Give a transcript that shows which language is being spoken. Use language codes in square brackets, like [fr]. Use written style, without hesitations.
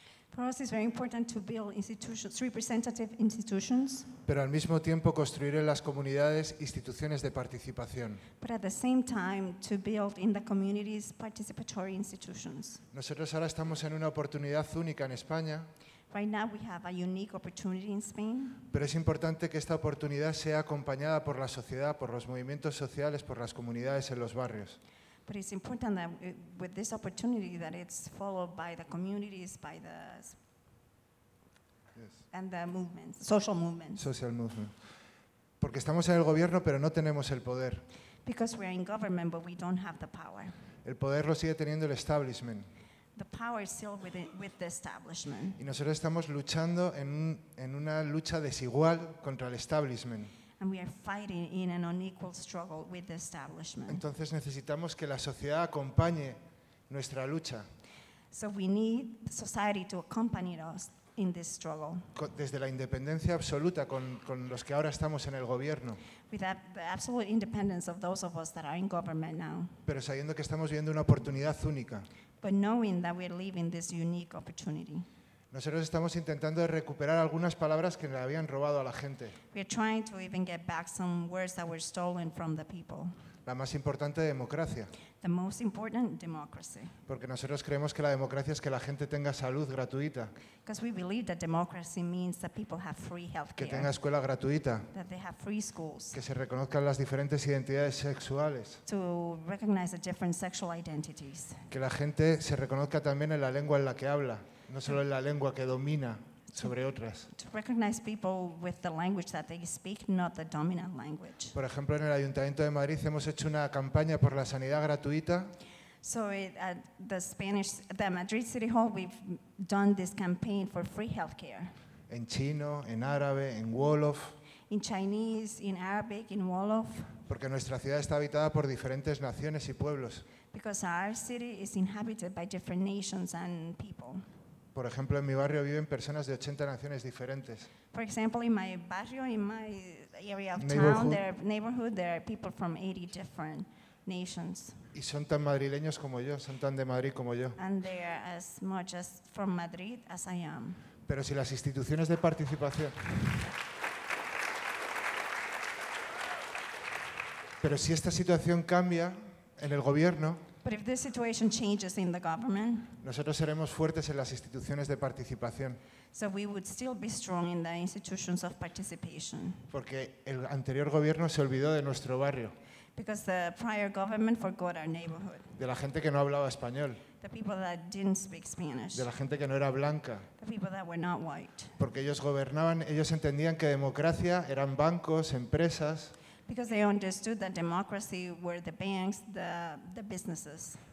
[en] For us, it's very important to build institutions, representative institutions. [es] Pero al mismo tiempo construir en las comunidades instituciones de participación. [en] But at the same time, to build in the communities participatory institutions. [es] Nosotros ahora estamos en una oportunidad única en España. [en] Right now we have a unique opportunity in Spain. [es] Pero es importante que esta oportunidad sea acompañada por la sociedad, por los movimientos sociales, por las comunidades en los barrios. [en] But it's important that with this opportunity that it's followed by the communities, by the and the movements, social movements. Social movement. [es] Porque estamos en el gobierno, pero no tenemos el poder. [en] Because we're in government, but we don't have the power. [es] El poder lo sigue teniendo el establishment. [en] The power is still with the establishment. [es] Y nosotros estamos luchando en una lucha desigual contra el establishment. [en] And we are fighting in an unequal struggle with the establishment. [es] Entonces necesitamos que la sociedad acompañe nuestra lucha. [en] So we need society to accompany us in this struggle. [es] Desde la independencia absoluta con los que ahora estamos en el gobierno. [en] With the absolute independence of those of us that are in government now. [es] Pero sabiendo que estamos viviendo una oportunidad única. [en] But knowing that we're living this unique opportunity. [es] Nosotros estamos intentando recuperar algunas palabras que le habían robado a la gente. [en] We're trying to even get back some words that were stolen from the people. [es] La más importante, democracia. [en] The most important, democracy. [es] Porque nosotros creemos que la democracia es que la gente tenga salud gratuita. [en] Because we believe that democracy means that people have free healthcare. [es] Que tenga escuela gratuita. [en] That they have free schools. [es] Que se reconozcan las diferentes identidades sexuales. [en] To recognize the different sexual identities. [es] Que la gente se reconozca también en la lengua en la que habla, no solo en la lengua que domina sobre otras. [en] To recognize people with the language that they speak, not the dominant language. [es] Por ejemplo, en el Ayuntamiento de Madrid hemos hecho una campaña por la sanidad gratuita. [en] So at the Madrid City Hall, we've done this campaign for free healthcare. [es] En chino, en árabe, en Wolof. [en] In Chinese, in Arabic, in Wolof. [es] Porque nuestra ciudad está habitada por diferentes naciones y pueblos. [en] Because our city is inhabited by different nations and people. [es] Por ejemplo, en mi barrio viven personas de 80 naciones diferentes. [en] For example, in my barrio, in my area of town, there neighborhood, there are people from 80 different nations. [es] Y son tan madrileños como yo, son tan de Madrid como yo. [en] And they are as much as from Madrid as I am. [es] Pero si las instituciones de participación. Pero si esta situación cambia en el gobierno. [en] But if this situation changes in the government, [es] nosotros seremos fuertes en las instituciones de participación. [en] So we would still be strong in the institutions of participation. [es] Porque el anterior gobierno se olvidó de nuestro barrio. [en] Because the prior government forgot our neighborhood. [es] De la gente que no hablaba español. [en] The people that didn't speak Spanish. [es] De la gente que no era blanca. [en] The people that were not white. [es] Porque ellos gobernaban, ellos entendían que democracia eran bancos, empresas. [en] Because they understood that democracy were the banks, the businesses.